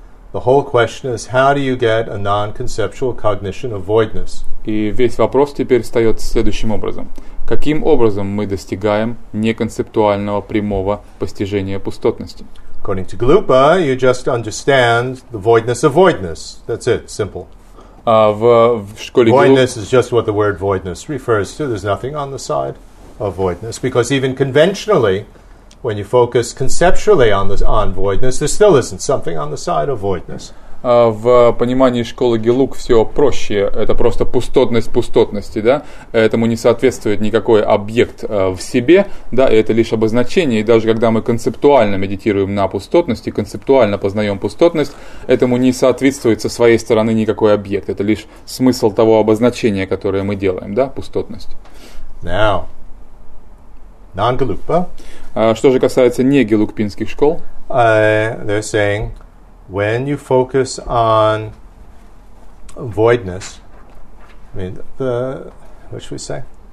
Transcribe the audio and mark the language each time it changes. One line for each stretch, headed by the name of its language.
English: The whole question is, how do you get a non-conceptual cognition of voidness?
Russian: И весь вопрос теперь встает следующим образом. Каким образом мы достигаем неконцептуального прямого постижения пустотности?
English: According to Glupa, you just understand the voidness of voidness. That's it, simple. Voidness is just what the word voidness refers to. There's nothing on the side of voidness. Because even conventionally, when you focus conceptually on this, on voidness, there still isn't something on the side of voidness.
Russian: В понимании школы Гелук все проще. Это просто пустотность пустотности, да? Этому не соответствует никакой объект в себе, да? И это лишь обозначение. И даже когда мы концептуально медитируем на пустотность и концептуально познаем пустотность, этому не соответствует со своей стороны никакой объект. Это лишь смысл того обозначения, которое мы делаем, да? Пустотность.
English: Now, non-Gelukpa.
Russian: Что же касается не гелукпинских школ?
English: They're saying... When you focus on voidness, I mean, the, what should we say?